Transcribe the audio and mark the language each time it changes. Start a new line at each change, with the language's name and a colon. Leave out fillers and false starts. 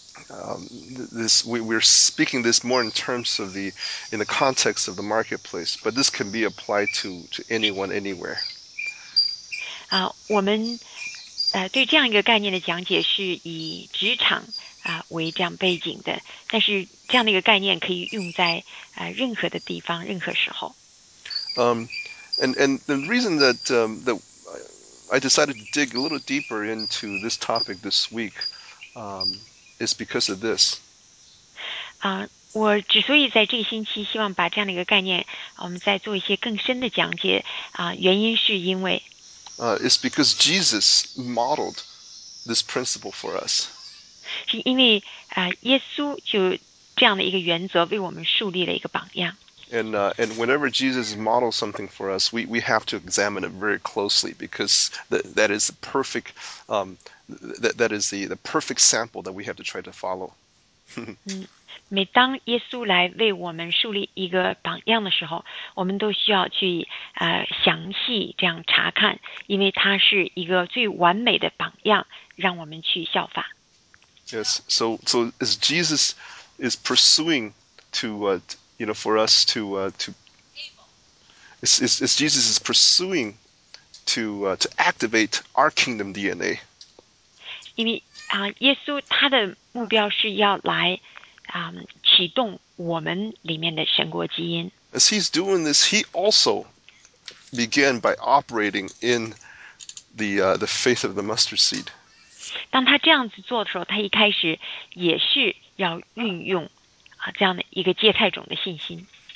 English: And we're speaking this more in terms of the in the context of the marketplace, but this can be applied to anyone anywhere.
Chinese: 啊、我们对这样一个概念的讲解是以职场啊、为这样背景的，但是这样的一个概念可以用在任何的地方，任何时候。
English: And the reason that that I decided to dig a little deeper into this topic this week is because of this.
Chinese: 我之所以在这个星期希望把这样的一个概念，我们再做一些更深的讲解啊，原因是因为
English: It's because Jesus modeled this principle for us.
Chinese: 是因为耶稣就这样的一个原则为我们树立了一个榜样。
English: And whenever Jesus models something for us, we have to examine it very closely because that is the perfect that is the perfect sample that we have to try to follow.
Chinese: 每当耶稣来为我们树立一个榜样的时候，我们都需要去详细这样查看，因为他是一个最完美的榜样，让我们去效法。
English: Yes, so as Jesus is pursuing to you know, for us to Jesus is pursuing to activate our kingdom DNA.
Chinese: 因为啊，耶稣他的目标是要来启动我们里面的神国基因。
English: As he's doing this, he also began by operating in the faith of the mustard seed.
Chinese: 当他这样子做的时候，他一开始也是要运用。这样的一个芥菜种的信心。